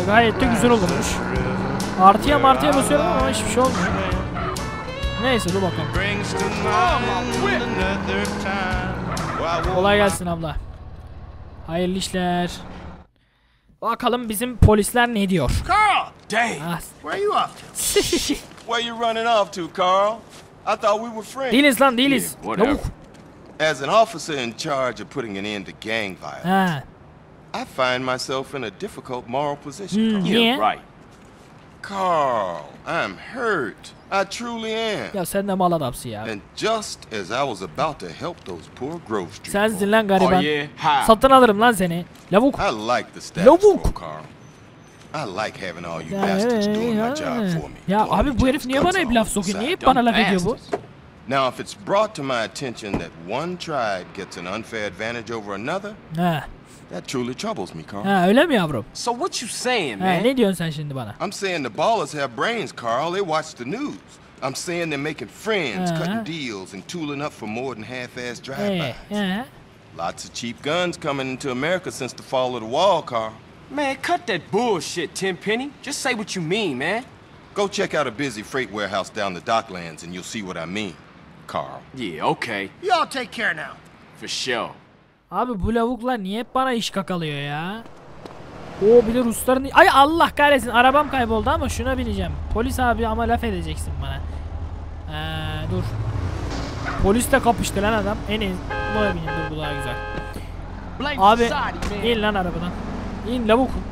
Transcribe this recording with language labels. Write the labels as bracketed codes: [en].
[tr] Gayet de güzel olurmuş. Artıya martıya basıyorum ama hiçbir şey olmuyor. Neyse dur bakalım. Kolay gelsin abla. Hayırlı işler. Bakalım bizim polisler ne diyor. [en] Carl! Dang! Where you off to? Where you running off to, Carl? I thought we were friends. [tr] Değiliz lan, değiliz. Yeah, [en] whatever. Yok. As an officer in charge of putting an end to gang violence, I find myself in a difficult moral position. Hmm, yeah, yeah, right. Carl, I'm hurt. I truly am. [tr] Ya sen de mal adamsın ya. [en] And just as I was about to help those poor Grove Street. [tr] Sen dinle lan gariban. [en] Oh, yeah? [tr] Satın alırım lan seni. Lavuk. [en] I like the status quo, Carl. I like having all you bastards doing my job for me. [tr] Ya abi bu herif niye bana hep laf sokuyor? Niye hep bana laf ediyor bu? [en] Now if it's brought to my attention that one tribe gets an unfair advantage over another, that truly troubles me, Carl. [tr] Ha, öyle mi yavrum? [en] So what you saying, man? [tr] Ne diyorsun sen şimdi bana? [en] I'm saying the ballers have brains, Carl. They watch the news. I'm saying they're making friends, cutting deals, and tooling up for more than half-ass drive-bys. Lots of cheap guns coming into America since the fall of the wall, Carl. Man, cut that bullshit, Tenpenny. Just say what you mean, man. Go check out a busy freight warehouse down the docklands and you'll see what I mean, Carl. Yeah, okay. Y'all take care now. For sure. [tr] Abi bu lavuklar niye hep bana iş kakalıyor ya? Oo bir de Rusların... Ay Allah kahretsin, arabam kayboldu ama şuna bineceğim. Polis abi ama laf edeceksin bana. Dur. Polis de kapıştı lan adam. En iyi. Buna bineyim, dur bu daha güzel. Abi in lan arabadan. İn lavuk.